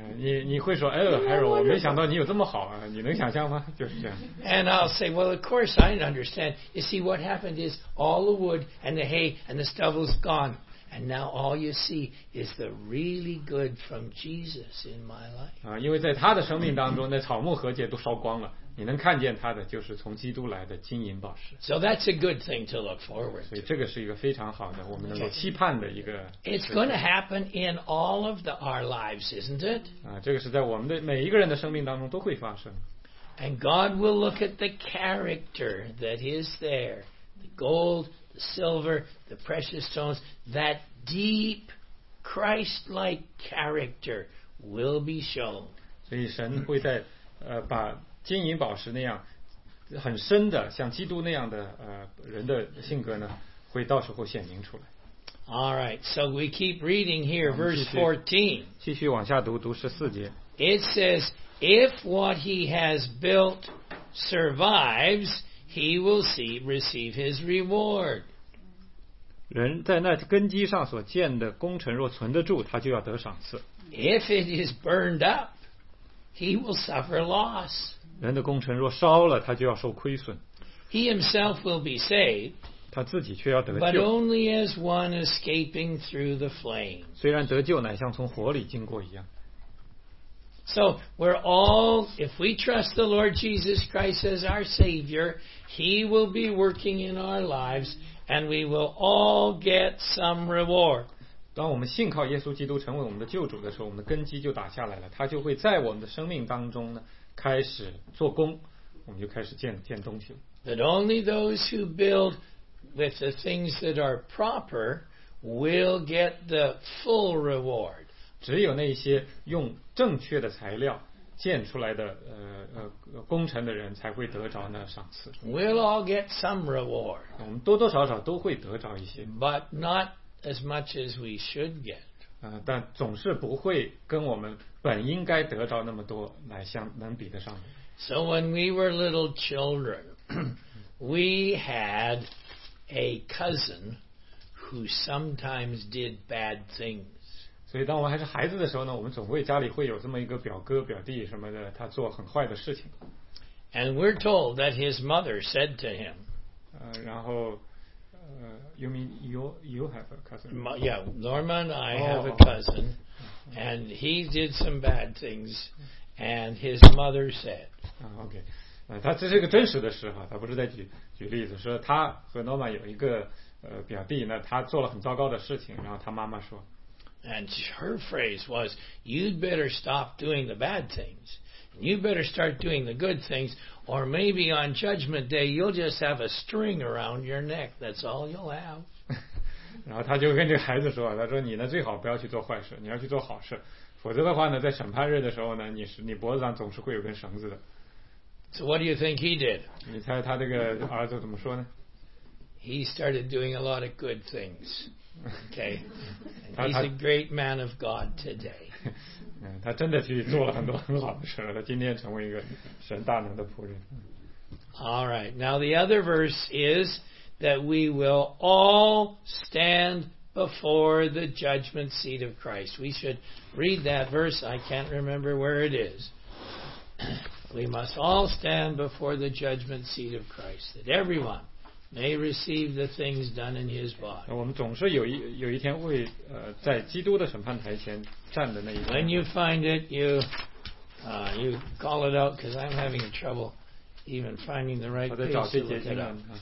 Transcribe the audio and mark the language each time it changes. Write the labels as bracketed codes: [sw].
[zh] 你会说，哎呦 ，Harold， 我没想到你有这么好啊！你能想象吗？就是这样。 [en] And I'll say, well, of course I understand. You see, what happened is all the wood and the hay and the stubble's gone, and now all you see is the really good from Jesus in my life. [zh] 因为在他的生命当中，那草木禾秸都烧光了。你能看见他的就是从基督来的金银宝石。 [en] So that's a good thing to look forward to. [zh] 所以这个是一个非常好的我们能够期盼的一个。 [en] It's going to happen in all of our lives, isn't it? [zh] 这个是在我们的每一个人的生命当中都会发生。 [en] And God will look at the character that is there. The gold, the silver, the precious stones, that deep Christ-like character will be shown. [zh] 所以神会在把金银宝石那样很深的像基督那样的人的性格呢会到时候显明出来。 [en] All right, so we keep reading here, verse 14. [zh] 继续往下读十四节。 [en] It says, if what he has built survives, he will receive his reward. [zh] 人在那根基上所建的工程若存得住他就要得赏赐。 [en] If it is burned up, he will suffer loss. [zh] 人的工程若烧了，他就要受亏损。 [en] He himself will be saved. [zh] 他自己却要得救。 [en] But only as one escaping through the flames. [zh] 虽然得救乃像从火里经过一样。 [en] So we're all, if we trust the Lord Jesus Christ as our Savior, He will be working in our lives, and we will all get some reward. [zh] 当我们信靠耶稣基督成为我们的救主的时候，我们的根基就打下来了，他就会在我们的生命当中呢开始做工，我们就开始建东西了。 [en] That only those who build with the things that are proper will get the full reward. [zh] 只有那些用正确的材料建出来的工程的人才会得着那赏赐。 [en] We'll all get some reward. [zh] 我们多多少少都会得着一些。 [en] But not as much as we should get. [zh] 但总是不会跟我们本应该得着那么多来相能比得上。 [en] So when we were little children, we had a cousin who sometimes did bad things. [zh] 所以当我还是孩子的时候呢，我们总会家里会有这么一个表哥表弟什么的，他做很坏的事情。 [en] And we're told that his mother said to him. [zh] 然后 [en] you mean you have a cousin? Yeah, Norma and I have a cousin, and he did some bad things, and his mother said. Okay. [zh] 他这是一个真实的事哈，他不是在举例子，说他和 Norma 有一个表弟，那他做了很糟糕的事情，然后他妈妈说 [en] ，And her phrase was, "You'd better stop doing the bad things, you'd better start doing the good things, or maybe on Judgment Day you'll just have a string around your neck. That's all you'll have." [zh] 然后他就跟这孩子说，他说你呢最好不要去做坏事，你要去做好事，否则的话呢，在审判日的时候呢，你脖子上总是会有根绳子的。 [en] So what do you think he did? [zh] 你猜他这个儿子怎么说呢？ [en] He started doing a lot of good things. Okay. He's a great man of God today. [zh] 他真的去做了很多很好的事了，他今天成为一个神大能的仆人。 [en] All right. Now the other verse is that we will all stand before the judgment seat of Christ. We should read that verse. I can't remember where it is. We must all stand before the judgment seat of Christ, that everyone may receive the things done in His body. [zh] 我们总是有一天会在基督的审判台前站的那一天。 [en] When you find it, you call it out, because I'm having trouble even finding the right place to look it up.